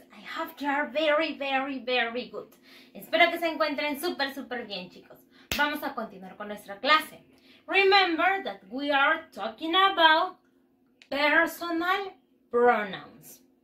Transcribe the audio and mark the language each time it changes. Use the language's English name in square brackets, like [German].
[English] I hope you are very, very, very good. [Spanish] Espero que se encuentren súper, súper bien, chicos. Vamos a continuar con nuestra clase. [English] Remember that we are talking about personal pronouns.